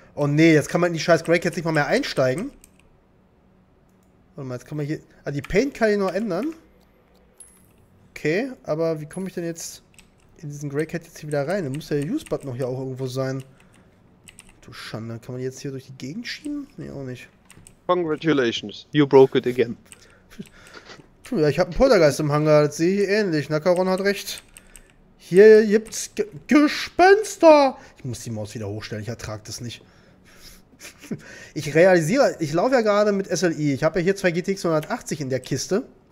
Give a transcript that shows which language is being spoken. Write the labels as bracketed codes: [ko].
[de] Oh nee, jetzt kann man in die scheiß Greycats nicht mal mehr einsteigen. Warte mal, jetzt kann man hier. Ah, die Paint kann ich noch ändern. Okay, aber wie komme ich denn jetzt in diesen Greycat jetzt hier wieder rein? Da muss der Use-Button noch hier auch irgendwo sein. Du Schande, kann man jetzt hier durch die Gegend schieben? Nee, auch nicht. [en] Congratulations, you broke it again. [de] Puh, ja, ich habe einen Poltergeist im Hangar, das sehe ich ähnlich. Nakaron hat recht. Hier gibt's Gespenster! Ich muss die Maus wieder hochstellen, ich ertrag das nicht. Ich realisiere, ich laufe ja gerade mit SLI. Ich habe ja hier zwei GTX 180 in der Kiste.